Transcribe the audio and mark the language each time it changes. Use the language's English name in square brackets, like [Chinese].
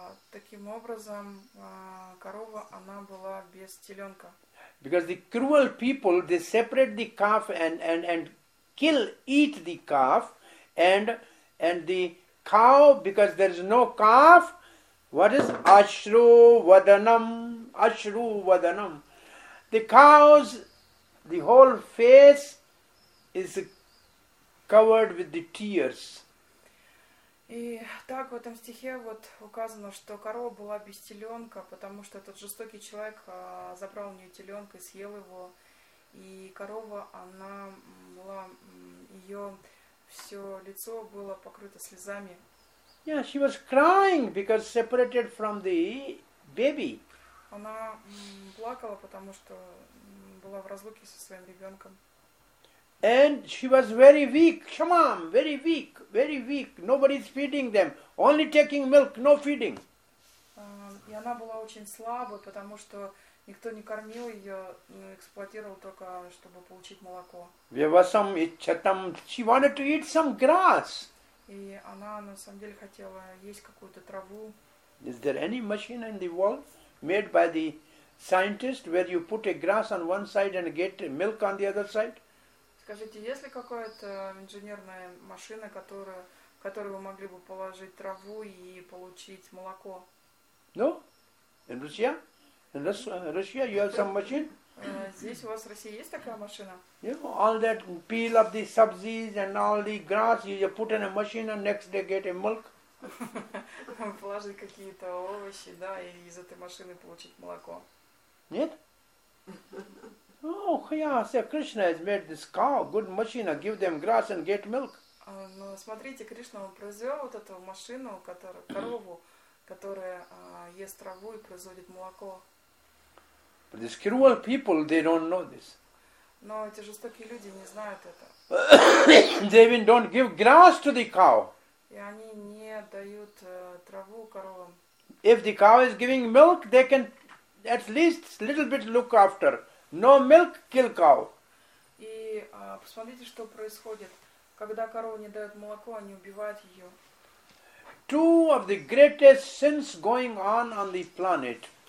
[Russian] Таким образом, корова, она была без теленка. [English] Because the cruel people, they separate the calf and kill, eat the calf, and the cow, because there is no calf, what is ashru vadanam, ashru vadanam. The cows, the whole face is covered with the tears. [Russian] И так в этом стихе вот указано, что корова была без теленка, потому что этот жестокий человек забрал у нее теленка и съел его. И корова, она была, ее все лицо было покрыто слезами. [English] Yeah, she was crying because separated from the baby. [Russian] Она плакала, потому что была в разлуке со своим ребенком. [English] And she was very weak, Shamam, very weak, very weak. Nobody's feeding them, only taking milk, no feeding. [Russian] И она была очень слабой, потому что никто не кормил ее, эксплуатировал только, чтобы получить молоко. [English] She wanted to eat some grass. [Russian] И она на самом деле хотела есть какую-то траву. [English] Is there any machine in the world made by the scientist where you put a grass on one side and get milk on the other side? [Russian] Скажите, есть ли какая-то инженерная машина, которая, в которую вы могли бы положить траву и получить молоко? [English] No? In Russia? In Russia you have some machine? [Russian] Здесь у вас в России есть такая машина? [English] You know, all that peel of the subsidies and all the grass, you put in a machine and next day get a milk. [Russian] Положить какие-то овощи, да, и из этой машины получить молоко. Нет? [English] Oh, yeah, so Krishna has made this cow, good machine, give them grass and get milk. [Russian] Но смотрите, Кришна произвел вот эту машину, корову, которая ест траву и производит молоко. [English] But the cruel people, they don't know this. [Russian] Но эти жестокие люди не знают это. [English] They even don't give grass to the cow. [Russian] И они не дают траву коровам. [English] If the cow is giving milk, they can at least a little bit look after. No milk, kill cow. [Russian] И посмотрите, что происходит. Когда корова не дает молоко, они убивают ее. [English] Two of the greatest sins going on the planet.